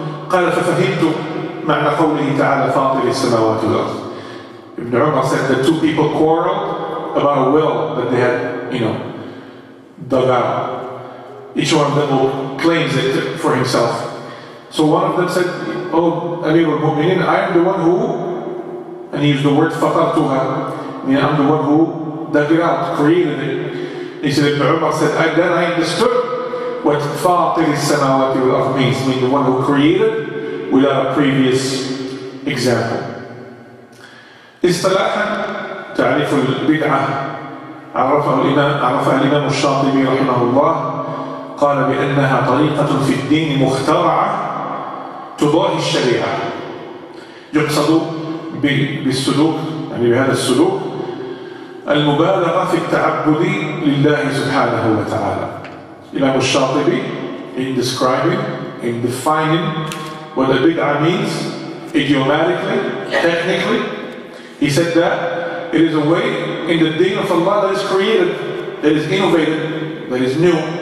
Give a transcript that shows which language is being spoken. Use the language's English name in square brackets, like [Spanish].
[Arabic] قال ففهمت معنى قوله تعالى فاطر السماوات والأرض. [English] Ibn Umar said that two people quarreled about a well that they had, you know, dug out. Each one of them will claim it for himself. So one of them said, oh, Amir al-Mu'minin, I am the one who, and he used the word fatartuha, meaning I'm the one who dug it out, created it. He said, Ibn Umar said, then I understood what fatir al-samawati wal-ard means, meaning the one who created without a previous example. [Arabic] اصطلاحا تعريف البدعة عرفها الإمام الشاطبي رحمه الله قال بأنها طريقة في الدين مخترعة تضاهي الشريعة. يقصد بالسلوك, يعني بهذا السلوك, المبالغة في التعبد لله سبحانه وتعالى. [English] الإمام الشاطبي in describing, in defining what the bid'ah means idiomatically, technically, he said that it is a way in the deen of Allah that is created, that is innovative, that is new.